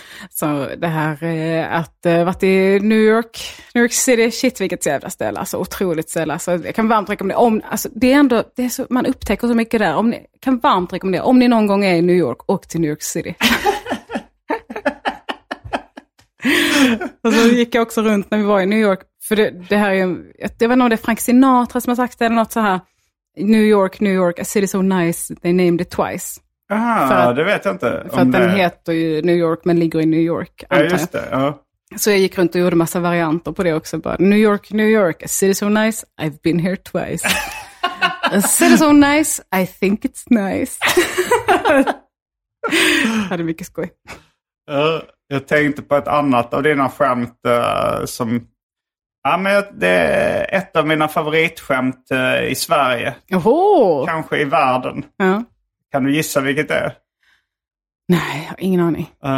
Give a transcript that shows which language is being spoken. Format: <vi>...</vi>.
<sv>Så det här att varit i New York City, shit vilket jävla ställe, alltså otroligt ställe, alltså jag kan varmt rekommendera om, alltså det är ändå, det är så, man upptäcker så mycket där, kan varmt rekommendera om ni någon gång är i New York, åk till New York City. Och så gick jag också runt när vi var i New York, för det här är ju, jag vet inte om det är Frank Sinatra som har sagt det eller något så här.</sv> <en>New York, New York, a city so nice, they named it twice.</en> <sv>Aha, att, det vet jag inte. För att den heter ju New York, men ligger i New York. Ja, just det. Ja. Så jag gick runt och gjorde massa varianter på det också. Bara,</sv> <en>New York, New York, a city so nice, I've been here twice. A city so nice, I think it's nice.</en> <sv>Jag hade mycket skoj. Jag tänkte på ett annat av dina skämt som... Ja, men det är ett av mina favoritskämt i Sverige. Oho. Kanske i världen. Ja. Kan du gissa vilket det är? Nej, jag har ingen aning.</sv>